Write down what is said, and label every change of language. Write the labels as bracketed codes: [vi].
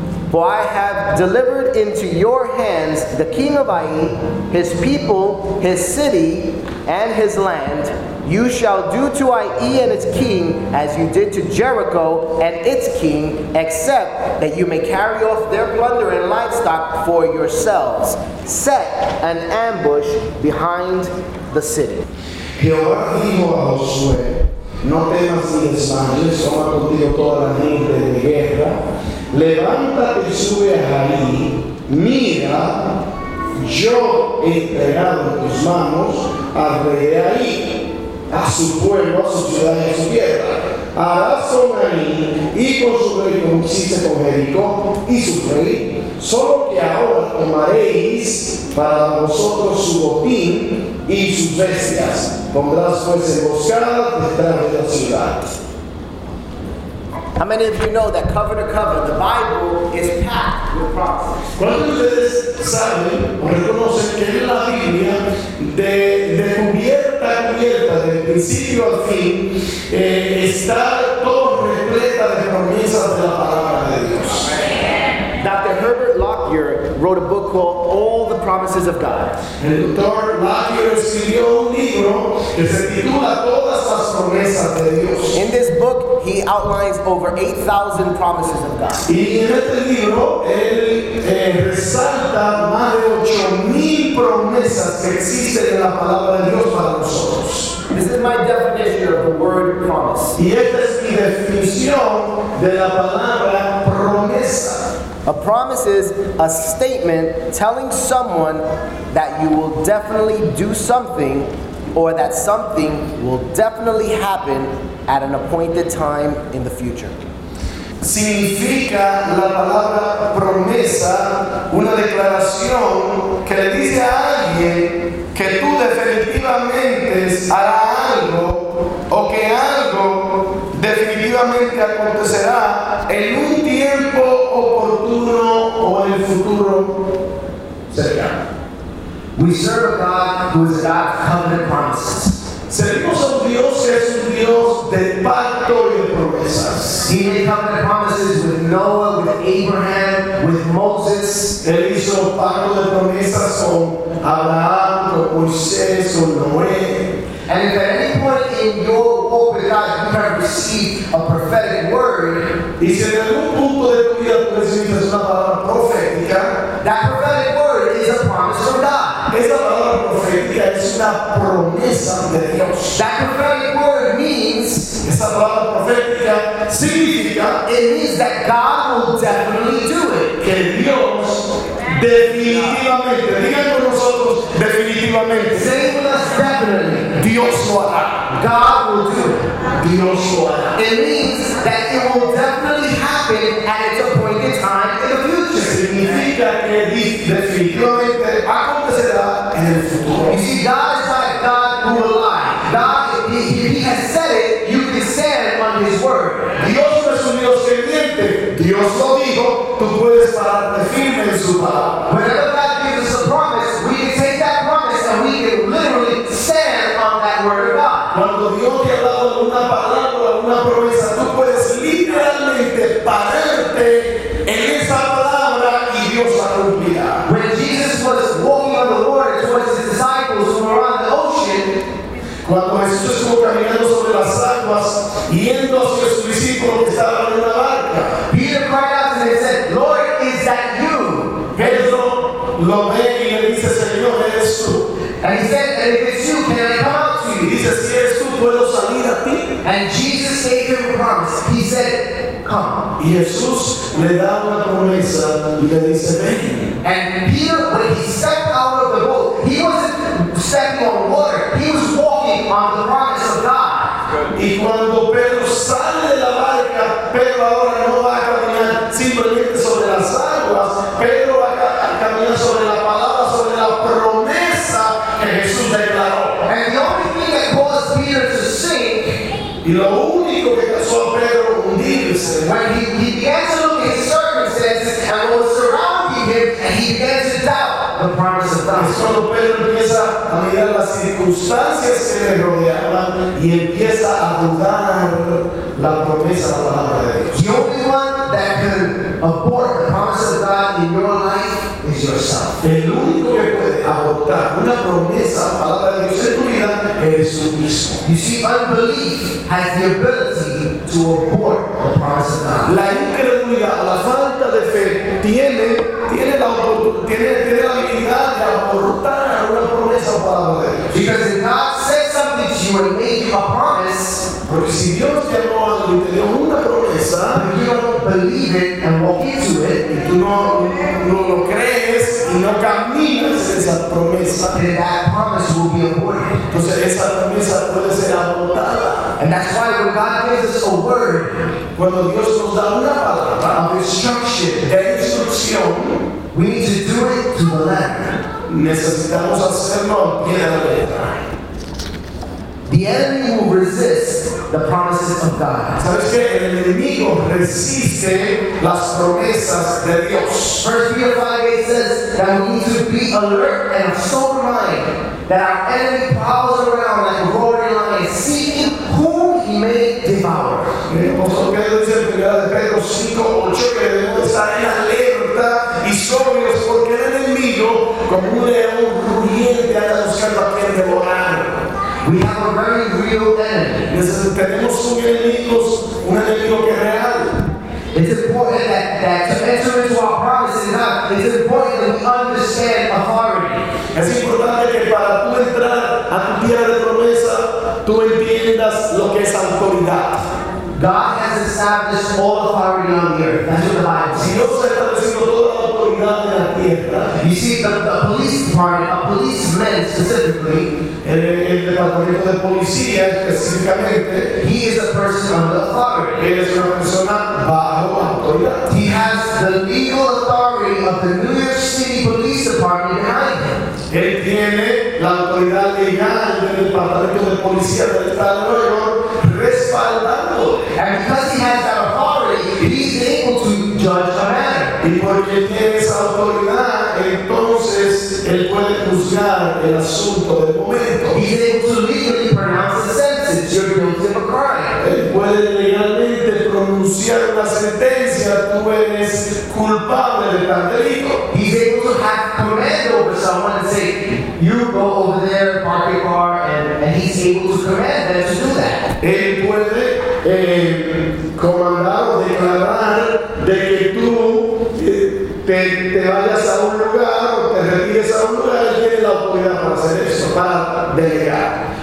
[en] For I have delivered into your hands the king of Ai, his people, his city, and his land. You shall do to Ai and its king as you did to Jericho and its king, except that you may carry off their plunder and livestock for yourselves. Set an ambush behind the city." [es] Jehová dijo a Josué, "No temas ni desmayes, toma contigo toda la gente de guerra. Levántate y sube a Ai. Mira, yo he entregado en tus manos al rey de Ai, a su pueblo, a su ciudad y a su tierra. Harás con Ai y con su rey como hiciste con Jericó y su rey, solo que ahora tomaréis para vosotros su botín y sus bestias. Pondrás pues emboscada detrás de la ciudad." [en] How many of you know that cover to cover, the Bible is packed with promises? [es] ¿Cuántos de ustedes saben o reconocen que en la Biblia, de cubierta a cubierta, de principio al fin, está todo repleta de promesas de la palabra de Dios? [en] Dr. Herbert Lockyer wrote a book called All the Promises of God. [es] El doctor Lockyer escribió un libro que se titula Todas las promesas de Dios. [en] In this book, he outlines over 8,000 promises of God. [es] Y en este libro, él resalta más de 8,000 promesas que existen en la palabra de Dios para nosotros. [en] This is my definition of the word promise. [es] Y esta es mi definición de la palabra promesa. [en] A promise is a statement telling someone that you will definitely do something or that something will definitely happen at an appointed time in the future. [es] Significa la palabra promesa una declaración que le dice a alguien que tú definitivamente harás algo o que algo definitivamente acontecerá en un tiempo oportuno o en el futuro cercano. [en] We serve a God who is a God of covenant promises. [es] Servimos a un Dios que es un Dios de pacto y de promesas. [en] He made covenant promises with Noah, with Abraham, with Moses. [es] Él hizo pacto de promesas con Abraham, con Moisés, con Noé. [en] And if at any point in your walk with God you have received a prophetic word, [es] y si en algún punto de tu vida tú recibes una palabra profética, [en] that prophetic word is a promise from God. [es] Esa palabra profética es una promesa de Dios. [en] That prophetic word means, [es] esa palabra profética significa, [en] it means that God will definitely do it. [es] Que Dios definitivamente, digan con nosotros, definitivamente. [en] Say with us definitely. [es] Dios lo hará. [en] God will do it. [es] Dios lo hará. [en] It means that it will definitely happen at its appointed time in the future. [es] Significa que definitivamente acontecerá en el futuro. [en] You see, God is not a God who will lie. God, if he has said it, you can stand on his word. [es] Dios no es un Dios que miente. Dios lo dijo, tú puedes pararte firme en su palabra. [en] Whenever God gives us a promise, we can take that promise and we can literally stand on that word of God. [es] Cuando Dios te ha dado una palabra, una promesa, tú puedes literalmente pararte en esa palabra y Dios la cumplirá. [en] When Jesus was walking on the water towards his disciples from around the ocean, [es] cuando Jesús estuvo caminando sobre las aguas yendo hacia sus discípulos que estaban en la barca, [en] Peter cried out and he said, "Lord, is that you?" [es] Pedro lo ve y le dice, "Señor, eres tú." [en] And he said, "And if it's you, can I come out to you?" [es] Dice, "Si eres tú, puedo salir a ti." [en] And Jesus gave him a promise. He said, come. [es] Y Jesús le da una promesa y le dice, ven. [en] And Peter, when he stepped out of the boat, he wasn't stepping on water. He was walking on the promise of God. [es] Y cuando Pedro sale de la barca, Pedro ahora no va a caminar simplemente sobre las aguas, Pedro va a caminar sobre la palabra, sobre la promesa que Jesús declaró. [en] And the only thing that caused Peter to sink, [es] y lo único que causó a Pedro hundirse, [en] when he began to look at his circumstances and what was surrounding him, and he began to doubt the promise of God. [es] Es cuando Pedro empieza a mirar las circunstancias que le rodeaban y empieza a dudar la promesa de la palabra de Dios. [en] The only one that can abort the promise of God in your life is yourself. [es] El único que puede abortar una promesa de la palabra de Dios en tu vida eres tú mismo. [en] You see, unbelief has the ability to abort the promise of God. [es] La incredulidad, la falta de fe, tiene la habilidad de abortar una promesa de la palabra de Dios. [en] Because if God says something to you and made you a promise, [es] porque si Dios te llamó a algo y te dio una promesa, [en] and you don't believe it and walk into it, [es] y tú no lo crees y no caminas esa promesa, [en] then that promise will be aborted. [es] Entonces esa promesa puede ser abortada. [en] And that's why when God gives us a word, [es] cuando Dios nos da una palabra [en] of instruction, [es] de instrucción, [en] we need to do it to the letter. [es] Necesitamos hacerlo bien a la letra. [en] The enemy will resist the promises of God. [es] ¿Sabes qué? El enemigo resiste las promesas de Dios. [en] 1 Peter 5:8 says that we need to be alert and of sober mind, that our enemy prowls around like a roaring lion, seeking whom he may devour. [es] El apóstol Pedro dice en 1 Pedro 5:8 que debemos estar en alerta y sobrios porque el enemigo, como un león rugiente, anda buscando a quien devorar. [en] We have a very real enemy. [es] Tenemos un enemigo que es real. [en] It's important that to enter into our promises in God, it's important that we understand authority. [es] Es importante que para tú entrar a tu tierra de promesa, tú entiendas lo que es autoridad. [en] God has established all authority on the earth. That's what the Bible says. [es] Dios ha establecido toda la autoridad en la tierra. [en] You see, the police department, a policeman specifically, [es] el departamento de policía específicamente, [en] he is a person under authority. [es] Él es una persona bajo autoridad. [en] He has the legal authority of the New York City Police Department behind him. [es] Él tiene la autoridad legal del departamento de policía del estado de Nueva York. [en] And because he has that authority, he's able to judge a matter. [es] Y porque tiene esa autoridad, entonces él puede juzgar el asunto del momento. [en] He's able to legally pronounce a sentence. You're guilty of a crime. [es] Él puede legalmente pronunciar una sentencia. Tú eres culpable de tal delito. [en] He's able to have command over someone and say, you go over there, park your car, and he's able to command them to do that. [es] Él puede comandar o declarar de que tú te vayas a un lugar o te retires a un lugar. Él tiene la autoridad para hacer eso, para delegar.